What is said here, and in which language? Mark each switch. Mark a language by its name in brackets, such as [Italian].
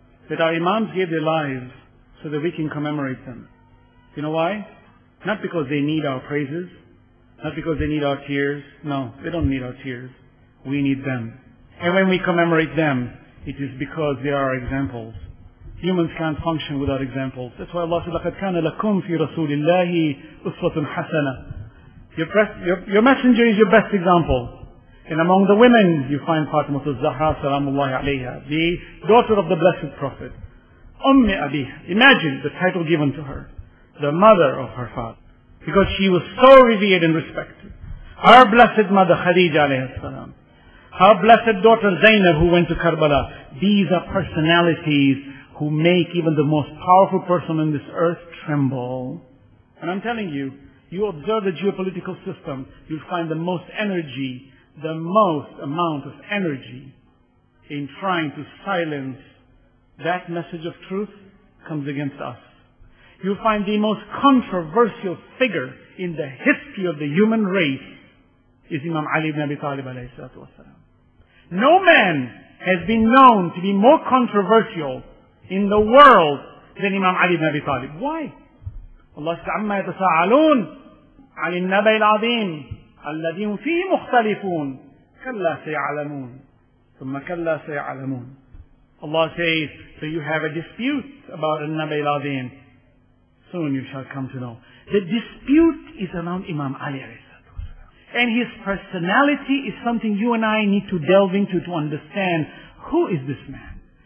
[English] That our imams gave their lives so that we can commemorate them. You know why? Not because they need our praises. Not because they need our tears. No, they don't need our tears. We need them. And when we commemorate them, it is because they are our examples. Humans can't function without examples. That's why Allah said, [Arabic] لَقَدْ كَانَ لَكُمْ فِي رَسُولِ اللَّهِ أُسْوَةٌ حَسَنَةٌ. [English] Your messenger is your best example. And among the women, you find Fatimah al-Zahra, salamullahi alayha, the daughter of the Blessed Prophet. [Arabic] أُمِّ أَبِيهَا. [English] Imagine the title given to her. The mother of her father. Because she was so revered and respected. Her blessed mother, Khadija alayhi salam. Her blessed daughter, Zainab, who went to Karbala. These are personalities who make even the most powerful person on this earth tremble. And I'm telling you, you observe the geopolitical system, you'll find the most energy, the most amount of energy in trying to silence that message of truth comes against us. You find the most controversial figure in the history of the human race is Imam Ali ibn Abi Talib alayhi salatu wasalam. No man has been known to be more controversial in the world than Imam Ali ibn Abi Talib. Why? Allah says, [Arabic] عَمَّا يَتَسَاءَلُونَ عَلِ النَّبَإِ الْعَظِيمِ الَّذِينَ فِي مُخْتَلِفُونَ كَلَّا سَيَعْلَمُونَ ثُمَّ كَلَّا سَيَعْلَمُونَ. [English] Allah says, so you have a dispute about the [Arabic] النَّبَإِ الْعَظِيمِ. [English] Soon you shall come to know. The dispute is around Imam Ali alayhi salatu wasalam. And his personality is something you and I need to delve into to understand who is this man.